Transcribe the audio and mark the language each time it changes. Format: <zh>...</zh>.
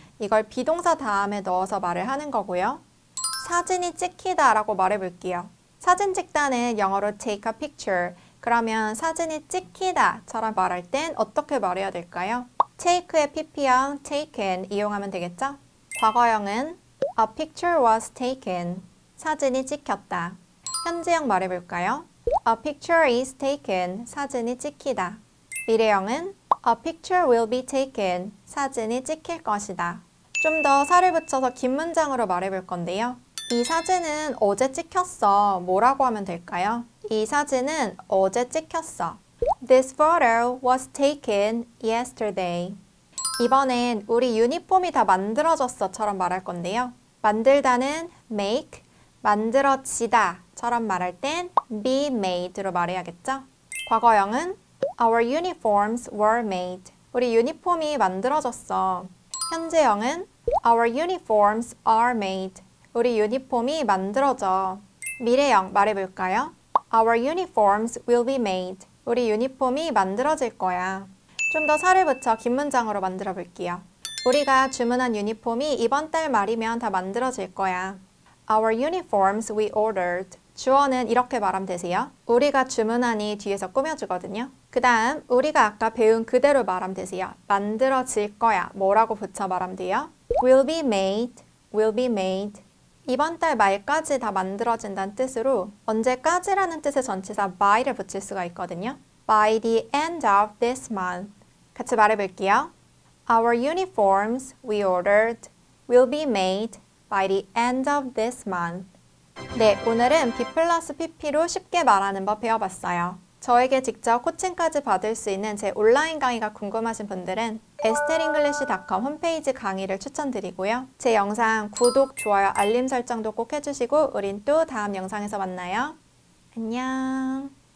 <ko>이걸 비동사 다음에 넣어서 말을 하는 거고요. 사진이 찍히다 라고 말해볼게요. 사진 찍다는 영어로</ko> <en>take a picture.</en> <ko>그러면 사진이 찍히다 처럼 말할 땐 어떻게 말해야 될까요? take의 pp형 taken 이용하면 되겠죠? 과거형은</ko> <en>a picture was taken.</en> <ko>사진이 찍혔다. 현재형 말해볼까요?</ko> <en>a picture is taken.</en> <ko>사진이 찍히다. 미래형은</ko> <en>a picture will be taken.</en> <ko>사진이 찍힐 것이다. 좀더 살을 붙여서 긴 문장으로 말해볼 건데요. 이 사진은 어제 찍혔어. 뭐라고 하면 될까요? 이 사진은 어제 찍혔어.</ko> <en>This photo was taken yesterday.</en> <ko>이번엔 우리 유니폼이 다 만들어졌어처럼 말할 건데요. 만들다는 make, 만들어지다처럼 말할 땐 be made로 말해야겠죠? 과거형은</ko> <en>our uniforms were made.</en> <ko>우리 유니폼이 만들어졌어. 현재형은</ko> <en>our uniforms are made.</en> <ko>우리 유니폼이 만들어져. 미래형 말해볼까요?</ko> <en>Our uniforms will be made.</en> <ko>우리 유니폼이 만들어질 거야. 좀더 살을 붙여 긴 문장으로 만들어 볼게요. 우리가 주문한 유니폼이 이번 달 말이면 다 만들어질 거야.</ko> <en>Our uniforms we ordered.</en> <ko>주어는 이렇게 말하면 되세요. 우리가 주문하니 뒤에서 꾸며주거든요. 그 다음, 우리가 아까 배운 그대로 말하면 되세요. 만들어질 거야. 뭐라고 붙여 말하면 돼요?</ko> <en>Will be made. Will be made.</en> <ko>이번 달 말까지 다 만들어진다는 뜻으로 언제까지라는 뜻의 전치사 by를 붙일 수가 있거든요.</ko> <en>By the end of this month.</en> <ko>같이 말해볼게요.</ko> <en>Our uniforms we ordered will be made by the end of this month.</en> <ko>네, 오늘은 be 플러스 pp로 쉽게 말하는 법 배워봤어요. 저에게 직접 코칭까지 받을 수 있는 제 온라인 강의가 궁금하신 분들은 estelenglish.com 홈페이지 강의를 추천드리고요. 제 영상 구독, 좋아요, 알림 설정도 꼭 해주시고, 우린 또 다음 영상에서 만나요. 안녕.</ko>